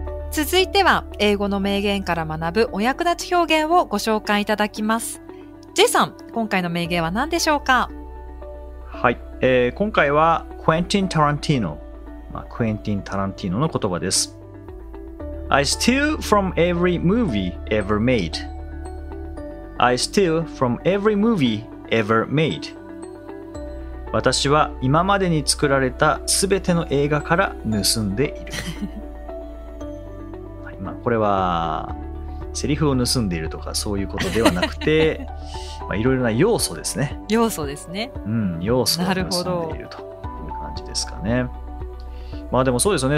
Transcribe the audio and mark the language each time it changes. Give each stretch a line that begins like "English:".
Japanese: 続いては英語の名言から学ぶお役立ち表現をご紹介いただきます。 J さん、今回の名言は何でしょうか。はい、今回はクエンティン・タランティーノ、まあ、クエンティン・タランティーノの言葉です。
English: I steal from every movie ever made. I steal from every movie ever made.
Japanese: 私は今までに作られた全ての映画から盗んでいるまあ、これはセリフを盗んでいるとかそういうことではなくて、いろいろな要素ですね。要素ですね。うん、要素を盗んでいるという感じですかね。まあでもそうですよね。